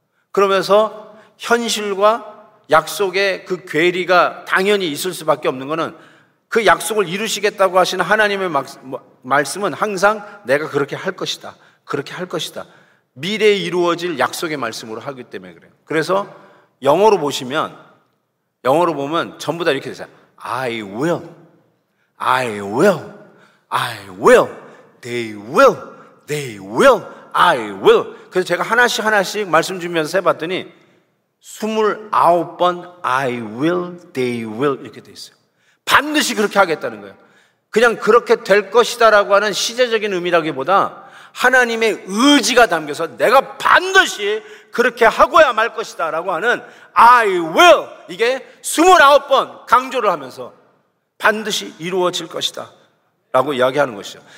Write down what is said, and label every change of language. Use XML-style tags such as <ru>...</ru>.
<ko>그러면서 현실과 약속의 그 괴리가 당연히 있을 수밖에 없는 거는 그 약속을 이루시겠다고 하시는 하나님의 말씀은 항상 내가 그렇게 할 것이다. 그렇게 할 것이다. 미래에 이루어질 약속의 말씀으로 하기 때문에 그래요. 그래서 영어로 보면 전부 다 이렇게 되세요.</ko> <en>I will, I will, I will, they will, they will, I will.</en> <ko>그래서 제가 하나씩 말씀 주면서 해봤더니 29번</ko> <en>I will, they will</en> <ko>이렇게 돼 있어요. 반드시 그렇게 하겠다는 거예요. 그냥 그렇게 될 것이다 라고 하는 시제적인 의미라기보다 하나님의 의지가 담겨서 내가 반드시 그렇게 하고야 말 것이다 라고 하는 I will, 이게 29번 강조를 하면서 반드시 이루어질 것이다 라고 이야기하는 것이죠.</ko>